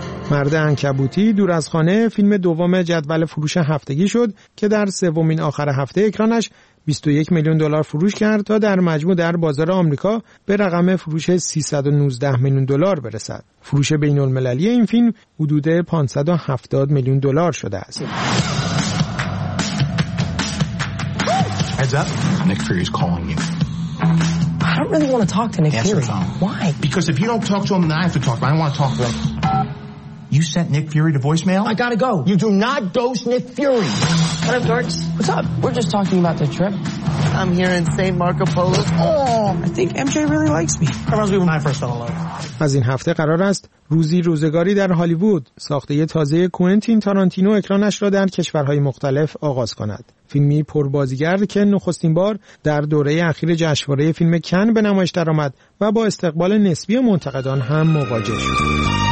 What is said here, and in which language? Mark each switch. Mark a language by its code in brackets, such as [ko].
[fa] مرد عنکبوتی دور از خانه فیلم دوم جدول فروش هفتگی شد که در سومین آخر هفته اکرانش 21,000,000 دلار فروش کرد تا در مجموع در بازار آمریکا به رقم فروش 319,000,000 دلار برسد. فروش بین المللی این فیلم حدود 570,000,000 دلار شده است. [en] Heads up. Nick Fury is calling you. I don't really want to talk to Nick Fury. Why? Because if you don't talk to him, then I have to talk. But I don't want to talk to him. You sent Nick Fury to voicemail? I gotta go. You do not ghost Nick Fury. What up, Dorks? What's up? We're just talking about the trip. I'm here in St. Marco Polo. Oh, I think MJ really likes me. That reminds me when I first fell in love. [fa] از این هفته قرار است روزی روزگاری در هالیوود ساخته تازه کوئنتین تارانتینو اکرانش را در کشورهای مختلف آغاز کند. فیلمی پربازیگر که نخستین بار در دوره اخیر جشنواره فیلم کن به نمایش درآمد و با استقبال نسبی منتقدان هم مواجه شد.